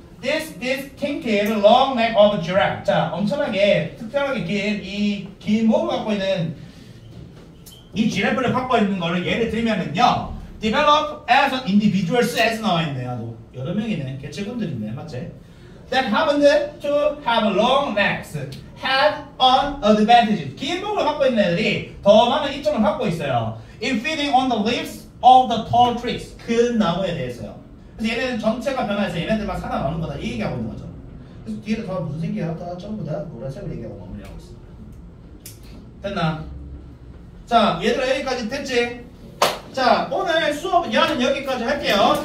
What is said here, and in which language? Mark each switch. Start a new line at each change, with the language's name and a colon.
Korean: This distinctive long neck of giraffe. 자 엄청나게 특별하게 긴 이 긴 목을 갖고 있는 이 지라프를 갖고 있는 거를 예를 들면은요 develop as an individuals as 나와 있네요. 또 여러 명이네 개체분들이네 맞지?
English: That happened to have long necks had an advantage.
Korean: 긴 목을 갖고 있는 애들이 더 많은 이점을 갖고 있어요.
English: In feeding on the leaves of the tall trees.
Korean: 큰 나무에 대해서요. 그래서 얘네들 전체가 변화해서 얘네들만 살아나는 거다. 이 얘기하고 있는 거죠. 그래서 뒤에 더 무슨 생기야? 다 전부 다 노란색을 얘기하고 마무리하고 있어. 됐나? 자, 얘들아 여기까지 됐지? 자 오늘 수업 얘는 여기까지 할게요.